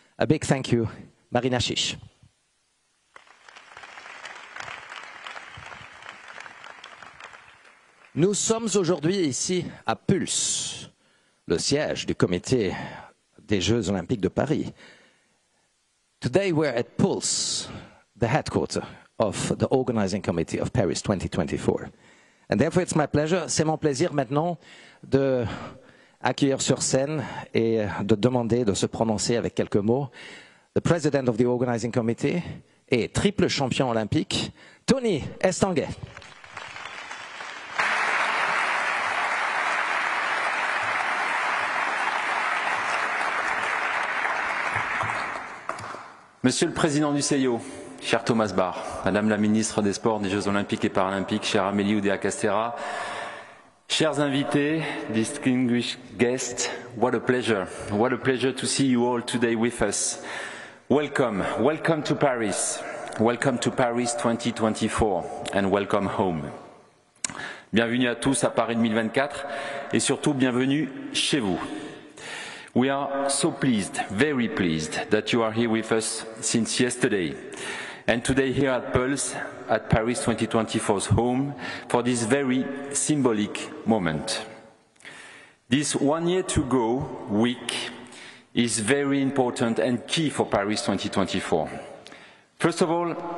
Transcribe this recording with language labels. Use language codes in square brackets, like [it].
[en] A big thank you, Marine Achich. [fr] Nous sommes aujourd'hui ici à Pulse, le siège du comité des Jeux Olympiques de Paris. [en] Today we're at Pulse, the headquarters of the organizing committee of Paris 2024. And therefore it's my pleasure, [fr] c'est mon plaisir maintenant de accueillir sur scène et de demander de se prononcer avec quelques mots [en] the president of the organizing committee [fr] et triple champion olympique, Tony Estanguet. Monsieur le Président du CIO, cher Thomas Barr, Madame la Ministre des Sports, des Jeux Olympiques et Paralympiques, chère Amélie Oudéa-Castéra, chers invités, [en] distinguished guests, what a pleasure to see you all today with us. Welcome, welcome to Paris 2024, and welcome home. [fr] Bienvenue à tous à Paris 2024, et surtout bienvenue chez vous. [en] We are so pleased, very pleased, that you are here with us since yesterday. And today here at Pulse, at Paris 2024's home, for this very symbolic moment. This 1 year to go week is very important and key for Paris 2024. First of all,